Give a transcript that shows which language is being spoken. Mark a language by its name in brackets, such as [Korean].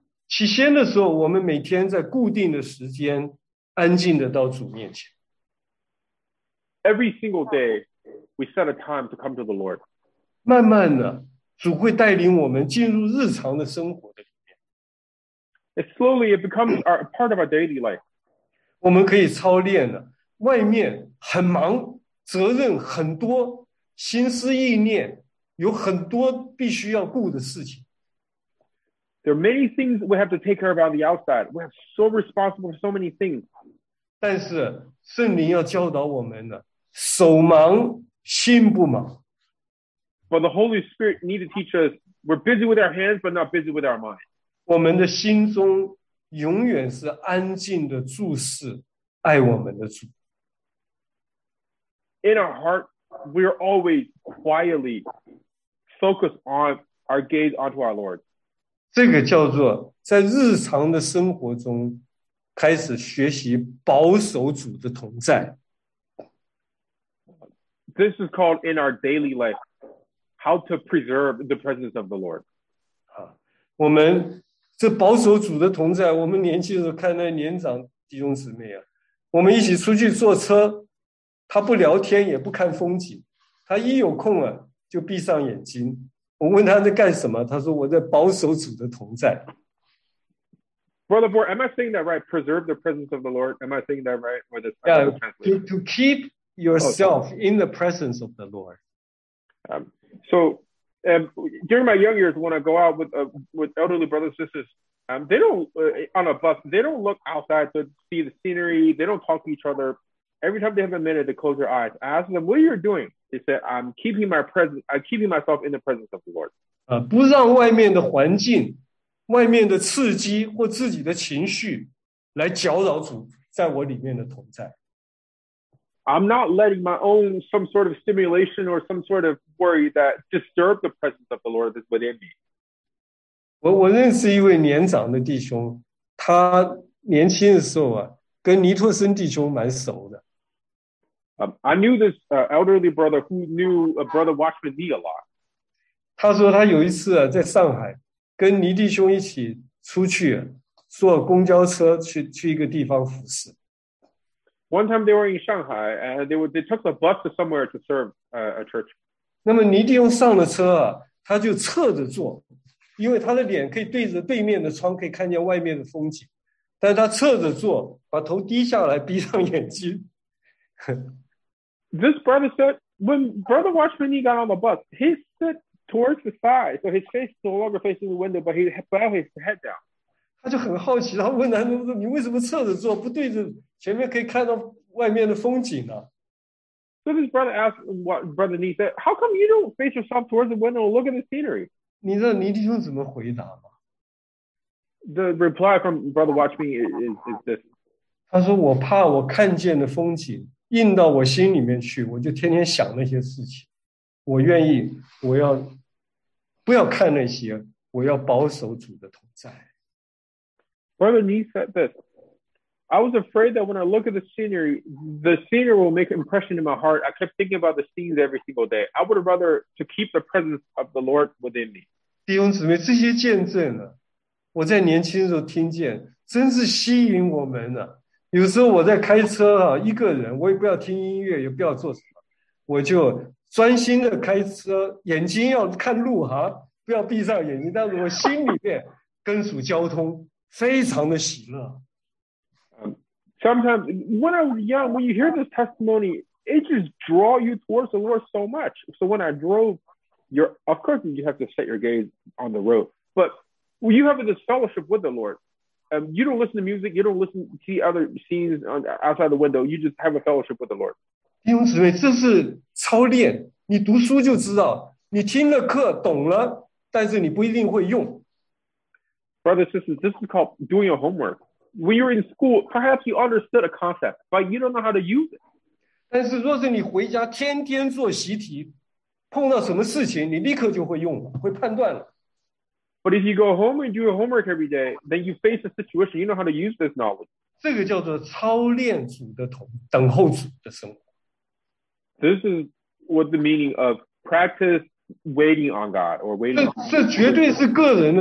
[Chinese] 起先的时候，我们每天在固定的时间，安静的到主面前。 [English] Every single day, we set a time to come to the Lord. [Chinese] 慢慢的，主会带领我们进入日常的生活的里面。 [English] It slowly it becomes our part of our daily life. [Chinese] 我们可以操练的，外面很忙，责任很多，心思意念有很多必须要顾的事情。 [English] There are many things we have to take care of on the outside. We are so responsible for so many things. [Chinese] 但是圣灵要教导我们的，手忙心不忙。 [English] But the Holy Spirit needs to teach us we're busy with our hands, but not busy with our mind. [Chinese] 我们的心中永远是安静的注视爱我们的主。 [English] In our heart, we're always quietly focused on our gaze onto our Lord. [Chinese] 这个叫做在日常的生活中开始学习保守主的同在。 [English] This is called in our daily life. How to preserve the presence of the Lord. [Chinese] 我们这保守主的同在，我们年轻的时候看那年长弟兄姊妹啊，我们一起出去坐车，他不聊天也不看风景，他一有空啊就闭上眼睛。我问他在干什么，他说我在保守主的同在。 [English] Brother Boy, am I saying that right? Preserve the presence of the Lord? Am I saying that right? Or this, yeah, to keep yourself in the presence of the Lord. So, during my young years, when I go out with elderly brothers and sisters, they don't, on a bus, they don't look outside to see the scenery. They don't talk to each other. Every time they have a minute, they close their eyes. I ask them, what are you doing? They said, I'm keeping myself in the presence of the Lord. [Chinese] 不让外面的环境、外面的刺激或自己的情绪来搅扰主在我里面的同在。 [English] I'm not letting my own some sort of stimulation or some sort of worry that disturb the presence of the Lord that's within me. [Chinese] 我认识一位年长的弟兄，他年轻的时候啊，跟尼托森弟兄蛮熟的。 [English] I knew this elderly brother who knew a brother Watchman Nee a lot. [Chinese] 他说他有一次啊，在上海跟尼弟兄一起出去坐公交车去一个地方服侍。 [English] One time they were in Shanghai and they took a bus to somewhere to serve a church. [Chinese] 那么尼弟兄上了车，他就侧着坐，因为他的脸可以对着对面的窗，可以看见外面的风景。但他侧着坐，把头低下来，闭上眼睛。 [English] This brother said, when Brother Watchman Nee got on the bus, he stood towards the side, so his face no longer facing the window, but he bowed his head down. [Chinese] 他就很好奇，他问他说：“你为什么侧着坐，不对着前面可以看到外面的风景呢？” [English] So his brother asked what brother Nee said, "How come you don't face yourself towards the window and look at the scenery?" [Chinese] 你知道尼弟兄怎么回答吗 [English] ？The reply from brother Watchman is this. [Chinese] 他说：“我怕我看见的风景印到我心里面去，我就天天想那些事情。我愿意，我要不要看那些，我要保守主的同在。” [English] Brother Nee said this, I was afraid that when I look at the scenery will make an impression in my heart. I kept thinking about the scenes every single day. I would rather to keep the presence of the Lord within me. [Chinese] 弟兄姊妹，这些见证啊，我在年轻的时候听见，真是吸引我们啊。有时候我在开车啊，一个人，我也不要听音乐，也不要做什么，我就专心的开车，眼睛要看路哈，不要闭上眼睛，但是我心里面跟主交通。非常的喜乐。 [English] Sometimes when I was young, when you hear this testimony, it just draws you towards the Lord so much. So when I drove you're, of course, you have to set your gaze on the road. But you have this fellowship with the Lord. You don't listen to music. You don't listen to see other scenes on, outside the window. You just have a fellowship with the Lord. [Chinese] 弟兄姊妹，这是操练。你读书就知道，你听了课懂了，但是你不一定会用。 [English] Brothers and sisters, this is called doing your homework. When you're in school, perhaps you understood a concept, but you don't know how to use it. [Chinese] 但是若是你回家天天做习题，碰到什么事情，你立刻就会用了，会判断了。 [English] But if you go home and do your homework every day, then you face a situation, you know how to use this knowledge. [Chinese] 这个叫做操练主的等候主的生活。 [English] This is what the meaning of practice waiting on God or waiting on God.